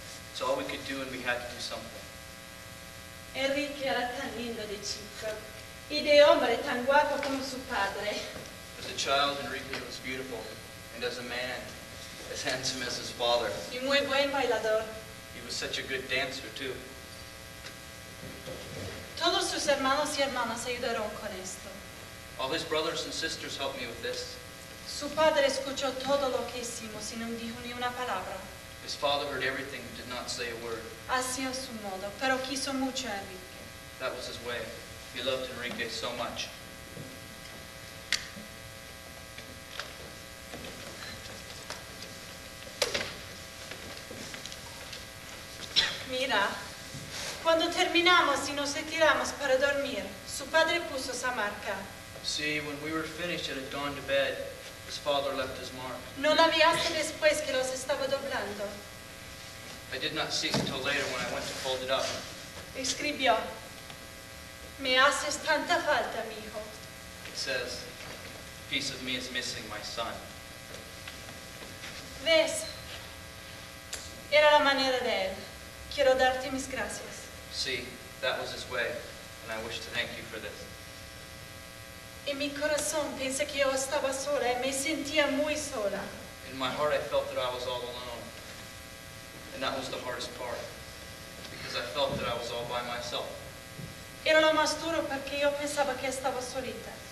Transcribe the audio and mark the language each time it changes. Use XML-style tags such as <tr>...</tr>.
<en>It's all we could do, and we had to do something.</en> <es>Enrique era tan lindo de chico. Y de hombre tan guapo como su padre.</es> <en>As a child, Enrique was beautiful. And as a man, as handsome as his father.</en> <es>Y muy buen bailador.</es> <en>He was such a good dancer, too.</en> <es>Todos sus tus hermanos y hermanas ayudaron con esto.</es> <en>All his brothers and sisters helped me with this.</en> <es>Su padre escuchó todo lo que hicimos y no dijo ni una palabra.</es> <en>His father heard everything and did not say a word.</en> <es>Así a su modo, pero quiso mucho a Enrique.</es> <en>That was his way. He loved Enrique so much.</en> <es>Mira, cuando terminamos y nos retiramos para dormir, su padre puso esa marca.</es> <en>See, when we were finished and had gone to bed, his father left his mark.</en> <es>No la viaste después que los estaba doblando.</es> <en>I did not see it until later when I went to fold it up.</en> <es>Escribió, me haces tanta falta, mijo.</es> <en>It says, a piece of me is missing, my son.</en> <es>Ves, era la manera de él. Quiero darte mis gracias.</es> <en>See, that was his way, and I wish to thank you for this.</en> <es>En mi corazón pensé que yo estaba sola y me sentía muy sola.</es> <en>In my heart I felt that I was all alone. And that was the hardest part. Because I felt that I was all by myself.</en> <es>Era lo más duro porque yo pensaba que estaba solita.</es>